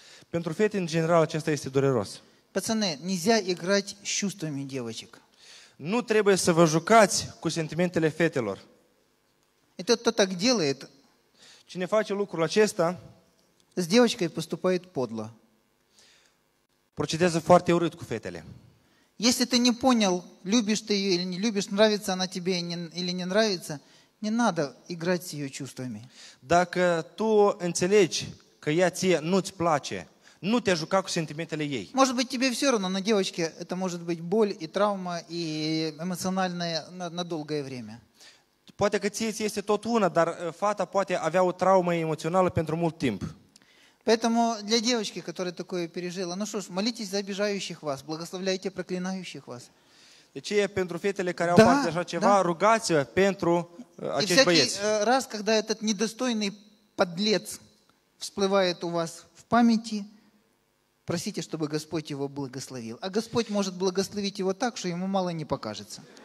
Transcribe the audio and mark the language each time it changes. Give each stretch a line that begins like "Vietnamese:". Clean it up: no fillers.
Romanian: Pentru fete, în general, acesta este dureros.
Russian: Пацаны, нельзя играть с чувствами девочек.
Romanian: Nu trebuie să vă jucați cu sentimentele fetelor.
Russian: Это кто так делает?
Romanian: Cine face lucrul acesta?
Russian: С девочкой поступает подло.
Romanian: Procedează foarte urât cu fetele.
Russian: Если ты не понял, любишь ты ее или не любишь, нравится она тебе или не нравится, не надо играть с ее чувствами.
Romanian: Dacă tu înțelegi că ea ție nu-ți place, nu te juca cu sentimentele ei.
Russian: Может быть, тебе все равно, но девочке это может быть боль и травма и эмоциональная на долгое время.
Romanian: Poate că ție este tot una, dar fata poate avea o traumă emoțională pentru mult timp.
Russian: Поэтому для девочки, которая такое пережила, ну что ж, молитесь за обижающих вас, благословляйте проклинающих вас.
Romanian: Deci, pentru fetele care au parte de așa ceva, rugați-vă pentru acești băieți.
Russian: Раз, когда этот недостойный подлец всплывает у вас в памяти, просите, чтобы Господь его благословил. А Господь может благословить его так, что ему мало не покажется.